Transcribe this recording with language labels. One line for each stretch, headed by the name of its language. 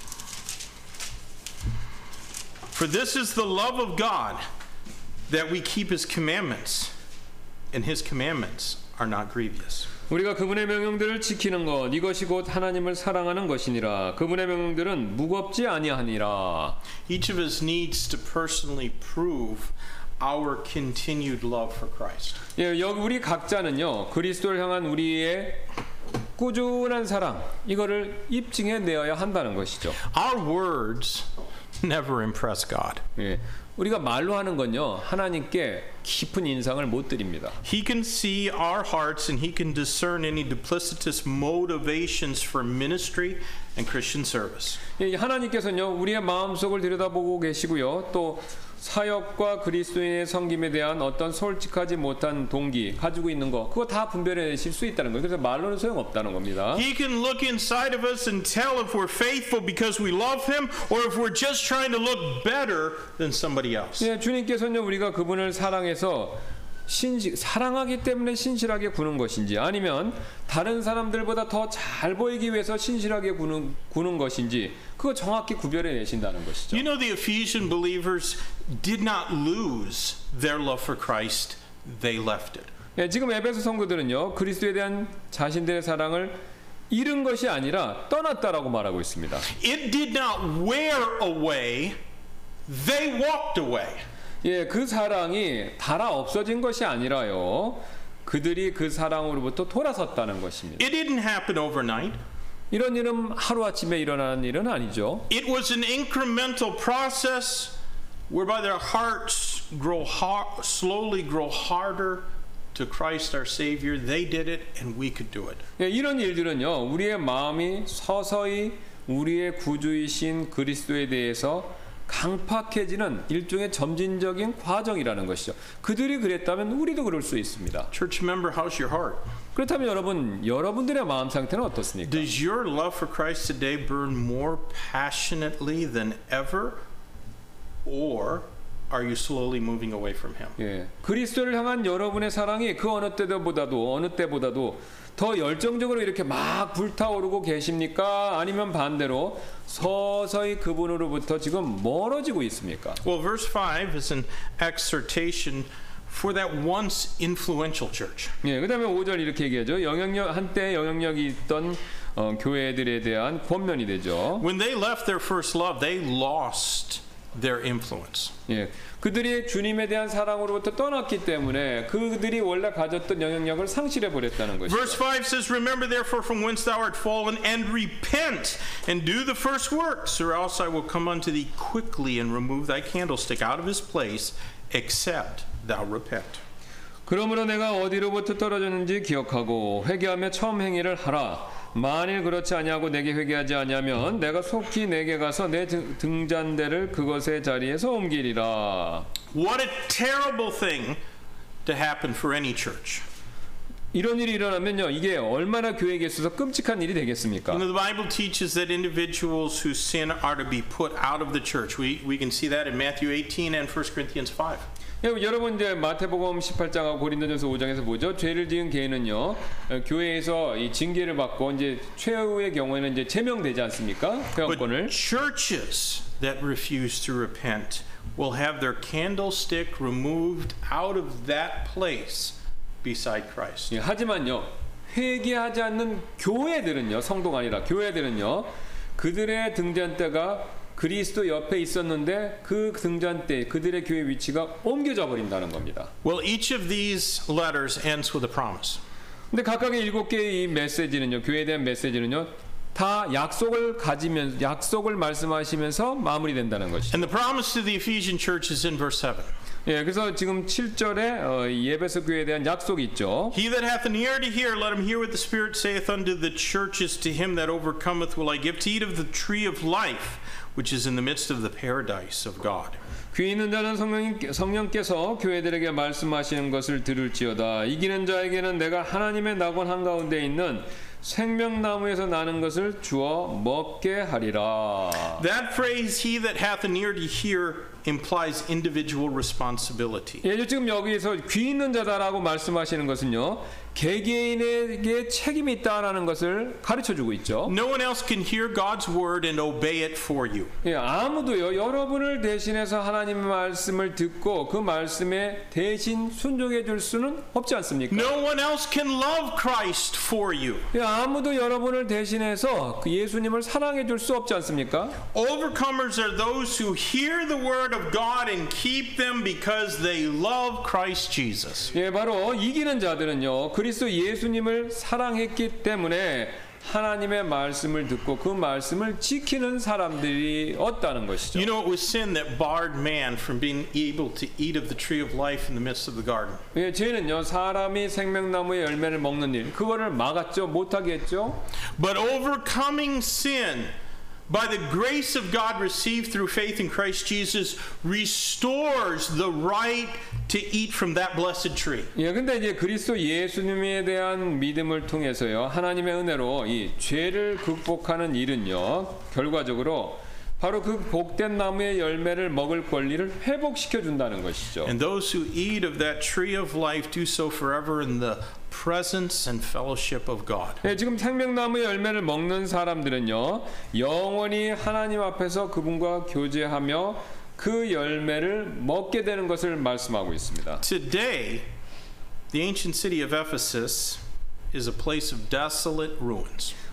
English: For this is the love of God, that we keep his commandments, and his commandments are not grievous.
Korean: 우리가 그분의 명령들을 지키는 것 이것이 곧 하나님을 사랑하는 것이니라 그분의 명령들은 무겁지 아니하니라
English: Each of us needs to personally prove our continued love for Christ.
Korean: 예, 여기 우리 각자는요. 그리스도를 향한 우리의 꾸준한 사랑 이거를 입증해 내어야 한다는 것이죠.
English: Our words never impress God.
Korean: 예. 우리가 말로 하는 건요. 하나님께 깊은 인상을 못 드립니다.
English: He can see our hearts and he can discern any duplicitous motivations for ministry and Christian service.
Korean: 예, 하나님께서는요. 우리의 마음속을 들여다보고 계시고요. 또 사역과 그리스도인의 섬김에 대한 어떤 솔직하지 못한 동기 가지고 있는 거 그거 다 분별하실 수 있다는 거예요. 그래서 말로는 소용없다는 겁니다.
English: He can look inside of us and tell if we're faithful because we love him or if we're just trying to look better than somebody else.
Korean: 예, 주님께서는 우리가 그분을 사랑해서 사랑하기 때문에 신실하게 구는 것인지 아니면 다른 사람들보다 더 잘 보이기 위해서 신실하게 구는 것인지 그거 정확히 구별해 내신다는 것이죠.
English: You know the Ephesian believers did not lose their love for Christ. They left it.
Korean: 예, 지금 에베소 성도들은요. 그리스도에 대한 자신들의 사랑을 잃은 것이 아니라 떠났다라고 말하고 있습니다.
English: It did not wear away. They walked away.
Korean: 예, 그 사랑이 닳아 없어진 것이 아니라요. 그들이 그 사랑으로부터 돌아섰다는 것입니다.
English: It didn't happen overnight.
Korean: 이런 일은 하루아침에 일어나는 일은 아니죠.
English: It was an incremental process whereby their hearts slowly grow harder to Christ our Savior. They did it and we could do it.
Korean: 예, 이런 일들은요. 우리의 마음이 서서히 우리의 구주이신 그리스도에 대해서 강팍해지는 일종의 점진적인 과정이라는 것이죠. 그들이 그랬다면 우리도 그럴 수 있습니다.
English: Church member, how's your heart?
Korean: 그렇다면 여러분들의 마음 상태는 어떻습니까?
English: Does your love for Christ today burn more passionately than ever, or are you slowly moving away from Him?
Korean: 예, 그리스도를 향한 여러분의 사랑이 그 어느 때보다도 더 열정적으로 이렇게 막 불타오르고 계십니까? 아니면 반대로 서서히 그분으로부터 지금 멀어지고 있습니까?
English: Well, verse 5 is an exhortation for that once influential church.
Korean: 예, 그다음에 5절 이렇게 얘기하죠. 한때 영향력이 있던 교회들에 대한 권면이 되죠.
English: When they left their first love, they lost their influence.
Korean: 예. 그들이 주님에 대한 사랑으로부터 떠났기 때문에 그들이 원래 가졌던 영향력을 상실해 버렸다는 것이죠.
English: Verse 5 says, Remember therefore from whence thou art fallen and repent and do the first works, or else I will come unto thee quickly and remove thy candlestick out of his place, except thou repent.
Korean: 그러므로 내가 어디로부터 떨어졌는지 기억하고 회개하며 처음 행위를 하라. 만일 그렇지 아니하고 내게 회개하지 아니하면 내가 속히 내게 가서 내 등잔대를 그것의 자리에서 옮기리라.
English: What a terrible thing to happen for any church.
Korean: 이런 일이 일어나면요, 이게 얼마나 교회에 있어서 끔찍한 일이 되겠습니까?
English: The Bible teaches that individuals who sin are to be put out of the church. We can see that in Matthew 18 and 1 Corinthians 5.
Korean: 여러분 이제 마태복음 18장하고 고린도전서 5장에서 보죠. 죄를 지은 개인은요 교회에서 이 징계를 받고 이제 최후의 경우에는 이제 제명되지 않습니까? 회원권을.
English: But churches that refuse to repent will have their candlestick removed out of that place beside Christ.
Korean: 예, 하지만요 회개하지 않는 교회들은요 성도가 아니라 교회들은요 그들의 등잔대가 그리스도 옆에 있었는데 그 등잔대 그들의 교회 위치가 옮겨져 버린다는 겁니다.
English: Well, each of these letters ends with a promise.
Korean: 근데 각각의 일곱 개의 이 메시지는요. 교회에 대한 메시지는요. 다 약속을 말씀하시면서 마무리된다는 것이죠.
English: And the promise to the Ephesian church is in verse 7.
Korean: 예, 그래서 지금 7절에 에베소 교회에 대한 약속이 있죠.
English: He that hath an ear to hear, let him hear what the Spirit saith unto the churches. To him that overcometh will I give to eat of the tree of life. Which is in the midst of the paradise of God.
Korean: 귀 있는 자는 성령께서 교회들에게 말씀하시는 것을 들을지어다. 이기는 자에게는 내가 하나님의 낙원 한 가운데 있는 생명나무에서 나는 것을 주어 먹게 하리라.
English: That phrase, he that hath an ear to hear, implies individual responsibility.
Korean: 예, 지금 여기에서 귀 있는 자다라고 말씀하시는 것은요. 개개인에게 책임이 있다라는 것을 가르쳐 주고 있죠.
English: No one else can hear God's word and obey it for you.
Korean: 예, 아무도요. 여러분을 대신해서 하나님의 말씀을 듣고 그 말씀에 대신 순종해 줄 수는 없지 않습니까?
English: No one else can love Christ for you.
Korean: 예, 아무도 여러분을 대신해서 그 예수님을 사랑해 줄 수 없지 않습니까?
English: Overcomers are those who hear the word of God and keep them because they love Christ Jesus.
Korean: 예, 바로 이기는 자들은요. 그리스도 예수님을 사랑했기 때문에 하나님의 말씀을 듣고 그 말씀을 지키는 사람들이 없다는 것이죠.
English: You know it was sin that barred man from being able to eat of the tree of life in the midst of the garden.
Korean: 예, 죄는요 사람이 생명나무의 열매를 먹는 일 그거를 막았죠 못하게 했죠.
English: But overcoming sin by the grace of God received through faith in Christ Jesus restores the right to eat from that blessed tree.
Korean: 예, 근데 이제 그리스도 예수님에 대한 믿음을 통해서요. 하나님의 은혜로 이 죄를 극복하는 일은요. 결과적으로 바로 그 복된 나무의 열매를 먹을 권리를 회복시켜 준다는 것이죠.
English: And those who eat of that tree of life do so forever in the presence and fellowship of God.
Korean: 예, 지금 생명나무의 열매를 먹는 사람들은요. 영원히 하나님 앞에서 그분과 교제하며 그 열매를 먹게 되는 것을 말씀하고 있습니다.
English: Today, the ancient city of Ephesus is a place of desolate ruins.